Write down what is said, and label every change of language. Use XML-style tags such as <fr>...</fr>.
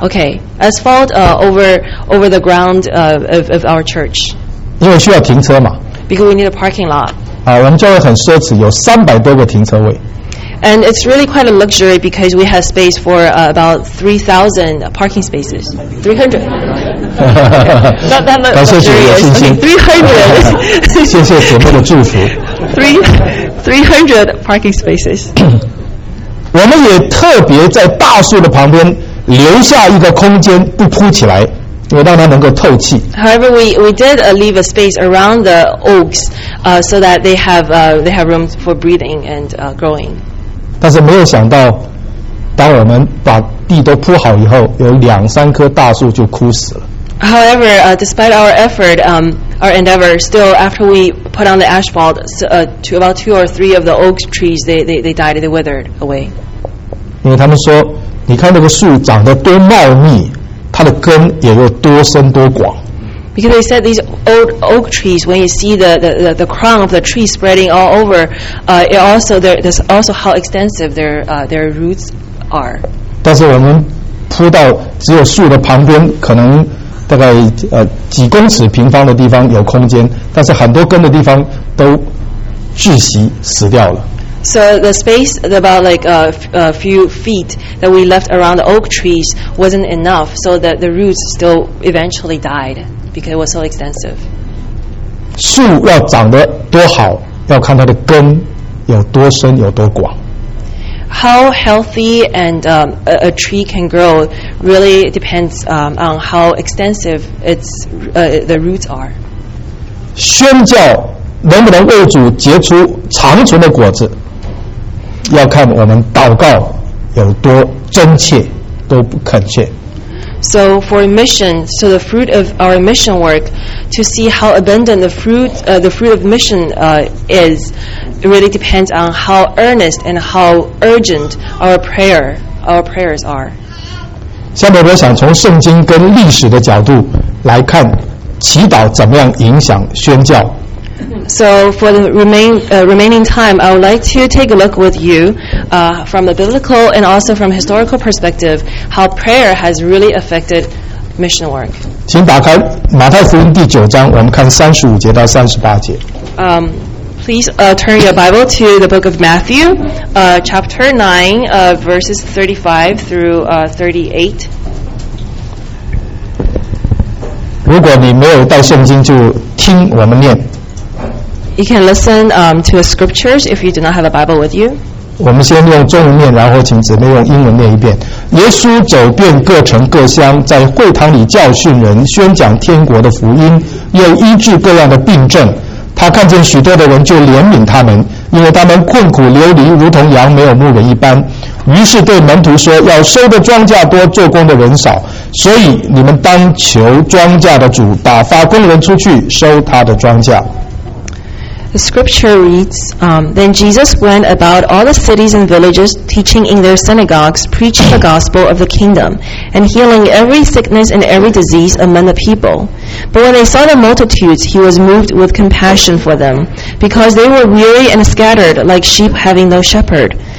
<en>Okay, asphalt over the ground of our church.</en> <zh>因为需要停车嘛。</zh> <en>Because we need a parking lot.</en> <zh>我们教会很奢侈，有300多个停车位。</zh> <en>And it's really quite a luxury because we have space for about 3,000 parking spaces. 300. Not that luxury.</en> <zh>感谢主的信心。</zh> <en>300.</en> <zh>谢谢姐妹的祝福。</zh> <en>300 parking spaces.</en> <zh>我们也特别在大树的旁边留下一个空间，不铺起来，因为让它能够透气。</zh> <en>However, we did leave a space around the oaks, so that they have room for breathing and growing.</en> <zh>但是没有想到，当我们把地都铺好以后，有两三棵大树就枯死了。</zh> <en>However, despite our effort, our endeavor, still after we put on the asphalt, to about 2 or 3 of the oak trees, they died, they withered away.</en> <zh>因为他们说。你看那个树长得多茂密，它的根也有多深多广。</zh> <en>Because they said these old oak trees, when you see the crown of the tree spreading all over, it also there's also how extensive their roots are.</en> <zh>但是我们铺到只有树的旁边，可能大概几公尺平方的地方有空间，但是很多根的地方都窒息死掉了。</zh> <en>So the space about like a few feet that we left around the oak trees wasn't enough, so that the roots still eventually died because it was so extensive.</en> <zh>树要长得多好，要看它的根有多深有多广。</zh> <en>How healthy and a tree can grow really depends on how extensive its the roots are.</en> <zh>宣教能不能为主结出长存的果子？要看我们祷告有多真切，多恳切。</zh> <en>So for mission, so the fruit of our mission work, to see how abundant the fruit of mission is, it really depends on how earnest and how urgent our prayers are.</en> <zh>下面我想从圣经跟历史的角度来看，祈祷怎么样影响宣教。</zh> <en>So for the remaining time, I would like to take a look with you from a biblical and also from a historical perspective how prayer has really affected mission work.</en> <zh>请打开马太福音第九章，我们看三十五节到三十八节。</zh> <en>Please turn your Bible to the book of Matthew, chapter 9, verses 35 through 38.</en> <zh>如果你没有带圣经，就听我们念。</zh> <en>You can listen to the scriptures if you do not have a Bible with you.</en> <zh>我们先用中文念，然后请姊妹用英文念一遍。耶稣走遍各城各乡，在会堂里教训人，宣讲天国的福音，又医治各样的病症。他看见许多的人，就怜悯他们，因为他们困苦流离，如同羊没有牧人一般。于是对门徒说，要收的庄稼多，做工的人少，所以你们当求庄稼的主打发工人出去收他的庄稼。</zh> <en>The scripture reads, Then Jesus went about all the cities and villages, teaching in their synagogues, preaching the gospel of the kingdom, and healing every sickness and every disease among the people. But when they saw the multitudes, he was moved with compassion for them, because they were weary and scattered, like sheep having no shepherd.</en>